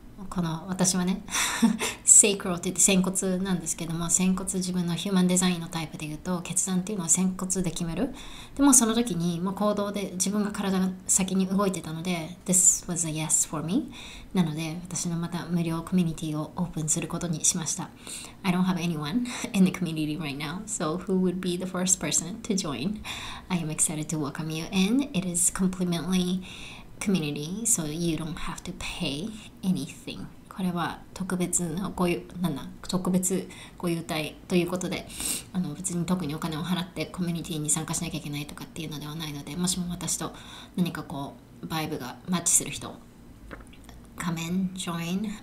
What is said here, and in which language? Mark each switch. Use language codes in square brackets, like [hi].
[ja] この、私はね、セイクロって言って、仙骨なんですけども、仙骨、自分のヒューマンデザインのタイプで言うと、決断っていうのは仙骨で決める。でもその時に、もう行動で、自分が体が先に動いてたので、 [en] This was a yes for me。 [ja] なので、私のまた無料コミュニティをオープンすることにしました。 [en] I don't have anyone in the community right now, so who would be the first person to join? I am excited to welcome you in. It is completely... community, so you don't have to pay anything. [ja] これは特別のご優なんだ特別ご優待ということで、別に特にお金を払ってコミュニティに参加しなきゃいけないとかっていうのではないので、もしも私と何かこうバイブがマッチする人、 [en] come in, join.